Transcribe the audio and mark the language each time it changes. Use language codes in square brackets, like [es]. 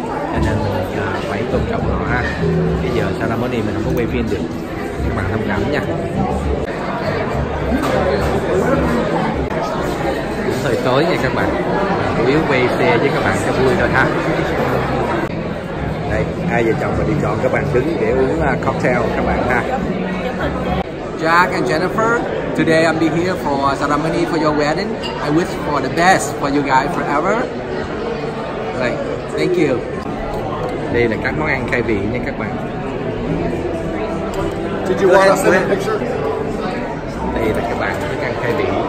[vi] Cho nên mình phải tôn trọng họ ha. Cái giờ ceremony mình không có quay phim được. Các bạn thông cảm nha. Hơi tối nha các bạn, chủ yếu quay xe với các bạn cho vui thôi ha. Đây hai vợ chồng mình đi chọn các bạn đứng để uống cocktail các bạn ha. [en] Jack and Jennifer, today I'm be here for a ceremony for your wedding. I wish for the best for you guys forever. [vi] Đây, [en] thank you. [vi] Đây là các món ăn khai vị nha các bạn. [en] Did you want a picture? [vi] Đây là các bạn thức ăn khai vị.